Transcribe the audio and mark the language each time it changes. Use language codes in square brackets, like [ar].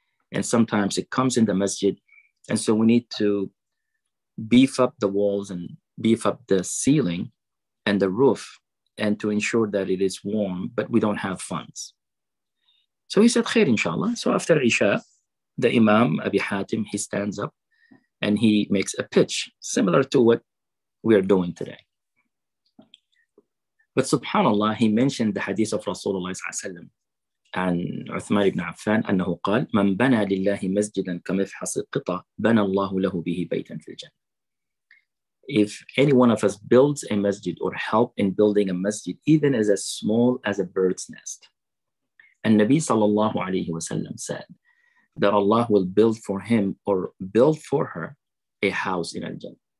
[en] And sometimes it comes in the masjid. And so we need to beef up the walls and beef up the ceiling and the roof and to ensure that it is warm, but we don't have funds. So he said, khair inshallah. So after Isha, the Imam Abi Hatim, he stands up and he makes a pitch similar to what we are doing today. But subhanAllah, he mentioned the hadith of Rasulullah ﷺ and Uthman ibn Affan, [ar] أنه قال, من بنى لله مسجدا كمفحص القطع بنى الله له به بيتا في الجنة. [en] If any one of us builds a masjid or help in building a masjid, even as small as a bird's nest, and Nabi sallallahu alayhi wa sallam said that Allah will build for him or build for her a house in al-Jannah.